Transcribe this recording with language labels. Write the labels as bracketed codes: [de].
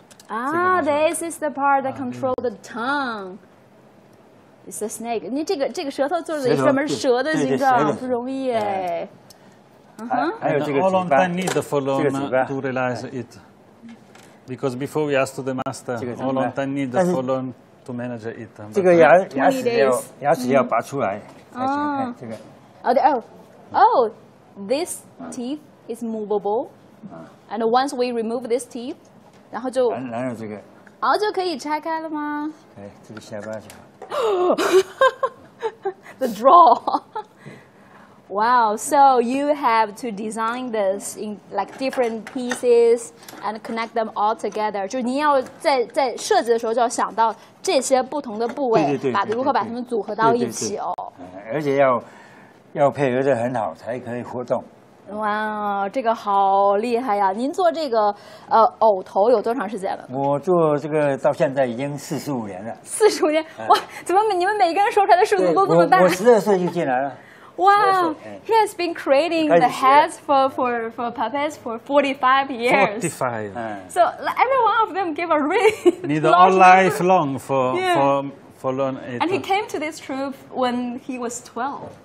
[en] Ah, this is the part that controls the tongue. It's a snake. [zh] 你这个这个舌头做的什么蛇的形状不容易哎。还有这个。 [en] How long do I need for them to realize it? Because before we asked the master, how long do I need for them to manage it? [zh] 这个牙齿要拔出来。啊，这个。 [en] Oh, this teeth is movable. And once we remove this teeth, [zh] 然后就。然后这个。然后就可以拆开了吗？哎，这个下巴就好。 [en] The draw. Wow, so you have to design this in like different pieces and connect them all together. [zh] 就你要在设计的时候就要想到这些不同的部位，把如何把它们组合到一起哦。而且要配合得很好才可以活动。哇，这个好厉害呀！您做这个藕头有多长时间了？我做这个到现在已经45年了。 45年，哇！怎么你们每个人说出来的数字都这么大？我12岁就进来了。哇 [en] ，He has been creating the heads for puppets for 45 years. 45. So every one of them give a ring. Need all life long for learn it. And he came to this troupe when he was 12.